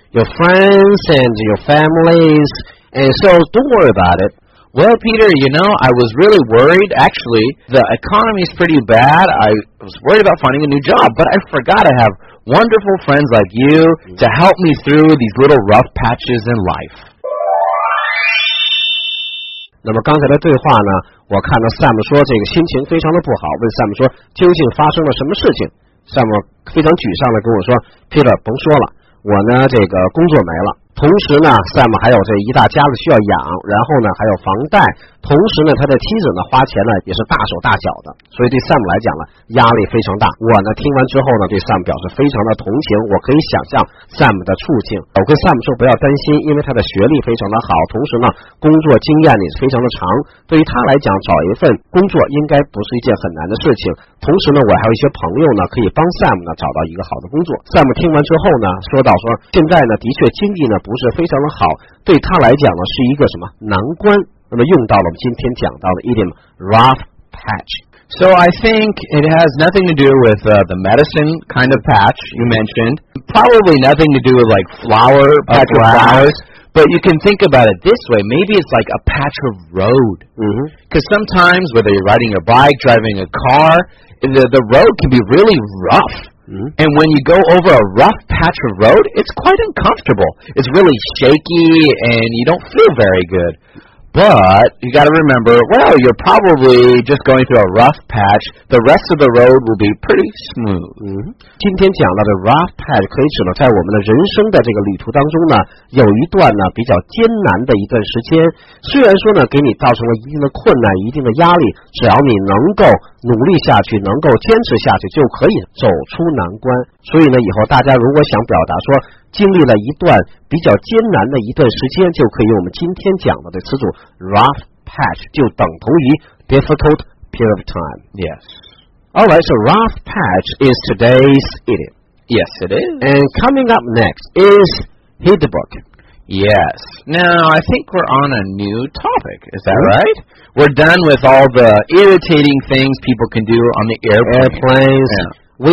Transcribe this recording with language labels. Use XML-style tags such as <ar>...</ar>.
<en>Your friends and your families, and so don't worry about it. Well, Peter, you know, I was really worried. Actually, the economy is pretty bad. I was worried about finding a new job, but I forgot I have wonderful friends like you to help me through these little rough patches in life.</en> <zh>那么刚才的对话呢，我看到 Sam 说这个心情非常的不好，问 Sam 说究竟发生了什么事情。 Sam 非常沮丧的跟我说 ：“Peter， 甭说了，我呢这个工作没了，同时呢 ，Sam 还有这一大家子需要养，然后呢还有房贷，同时呢他的妻子呢花钱呢也是大手大脚的，所以对 Sam 来讲呢压力非常大。我呢听完之后呢对 Sam 表示非常的同情，我可以想象 Sam 的处境。我跟 Sam 说不要担心，因为他的学历非常的好，同时呢工作经验也是非常的长，对于他来讲找一份工作应该不是一件很难的事情。” 同时呢我还有一些朋友呢可以帮 Sam 呢找到一个好的工作。 Sam 听完之后呢说到说现在呢的确经济呢不是非常的好，对他来讲呢是一个什么难关。那么用到了我们今天讲到的 idiom rough patch。</zh> <en>So I think it has nothing to do with the medicine kind of patch you mentioned. Probably nothing to do with like flower, patch of flowers. But you can think about it this way. Maybe it's like a patch of road. Because sometimes, whether you're riding your bike, driving a car, the road can be really rough. And when you go over a rough patch of road, it's quite uncomfortable. It's really shaky, and you don't feel very good. But you got to remember, well, you're probably just going through a rough patch. The rest of the road will be pretty smooth.</en> <zh>今天讲到的 rough patch 可以指呢，在我们的人生的这个旅途当中呢，有一段呢比较艰难的一段时间。虽然说呢，给你造成了一定的困难、一定的压力，只要你能够努力下去，能够坚持下去，就可以走出难关。所以呢，以后大家如果想表达说经历了一段比较艰难的一段时间，就可以用我们今天讲的词组 rough patch， 就等同于</zh> <en>difficult period of time。 Yes. Alright, so rough patch is today's idiom. Yes, it is. And coming up next is hit the book. Yes. Now, I think we're on a new topic. Is that right? We're done with all the irritating things people can do on the airplanes. Yeah.</en>